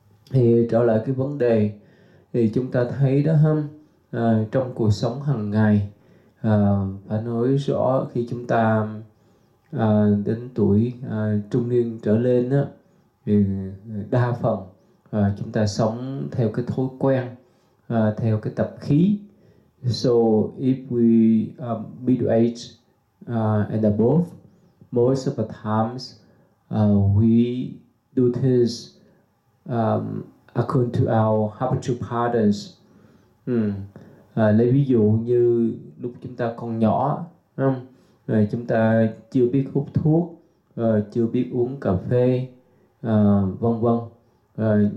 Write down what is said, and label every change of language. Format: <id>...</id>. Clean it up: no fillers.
<vi>Thì trở lại cái vấn đề thì chúng ta thấy đó trong cuộc sống hàng ngày, phải nói rõ khi chúng ta đến tuổi trung niên trở lên á, thì đa phần chúng ta sống theo cái thói quen, theo cái tập khí.</vi> <en>So if we middle age and above, most of the times we do this according to our habitual patterns.</en> <vi>Lấy ví dụ như lúc chúng ta còn nhỏ, chúng ta chưa biết hút thuốc, chưa biết uống cà phê, vân vân.</vi>